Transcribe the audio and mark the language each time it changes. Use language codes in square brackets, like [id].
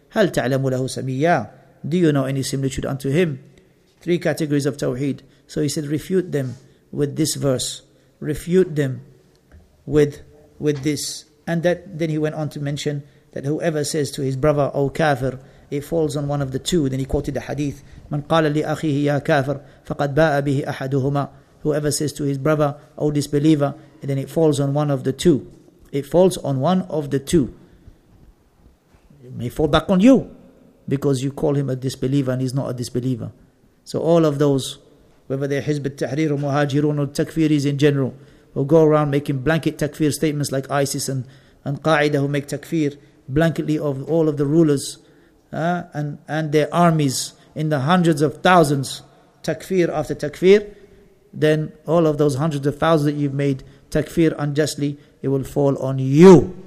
[ar] هل تعلم له سميا, [en] do you know any similitude unto him? Three categories of tawheed. So he said, refute them with this verse, refute them with this. And that, then he went on to mention that whoever says to his brother, O kafir, it falls on one of the two. Then he quoted the hadith, [ar] من قال لأخيه يا كافر فقد باء به أحدهما. [en] Whoever says to his brother, O disbeliever, and then it falls on one of the two. It falls on one of the two. It may fall back on you because you call him a disbeliever and he's not a disbeliever. So all of those, whether they're Hizb al-Tahrir or Muhajirun or Takfiris in general, who go around making blanket takfir statements like ISIS and Qaeda, who make takfir blanketly of all of the rulers and their armies, in the hundreds of thousands, takfir after takfir, then all of those hundreds of thousands that you've made takfir unjustly, it will fall on you.